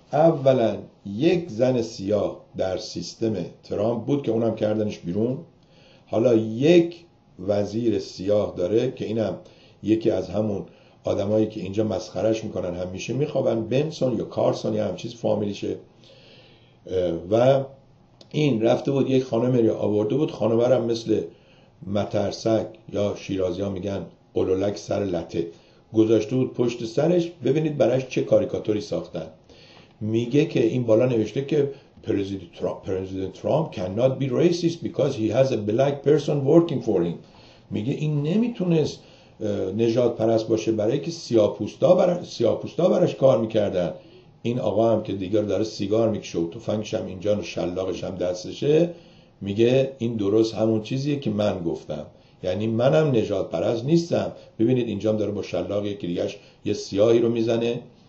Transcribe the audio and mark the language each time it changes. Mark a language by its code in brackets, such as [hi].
[fa] اولا یک زن سیاه در سیستم ترامپ بود که اونم کردنش بیرون، حالا یک وزیر سیاه داره که اینم یکی از همون آدمایی که اینجا مسخرش میکنن همیشه میخوابن، بنسون یا کارسون یا همچیز فامیلیشه. و این رفته بود یک خانمه رو آورده بود، خانمه رو مثل مترسک یا شیرازی ها میگن قلولک سر لته گذاشته بود پشت سرش. ببینید براش چه کاریکاتوری ساختن. میگه که این بالا نوشته که پرزیدنت ترامپ [en] cannot be racist because he has a black person working for him. [fa] میگه این نمیتونست نجات پرست باشه برای که سیاه‌پوستا براش کار میکردن. این آقا هم که دیگر داره سیگار میکشه و تفنگش هم اینجا و شلاقش هم دستشه، میگه این درست همون چیزیه که من گفتم، یعنی منم نجات پرست نیستم. ببینید اینجام داره با شلاق یکی دیگرش یه سیاهی رو میزنه.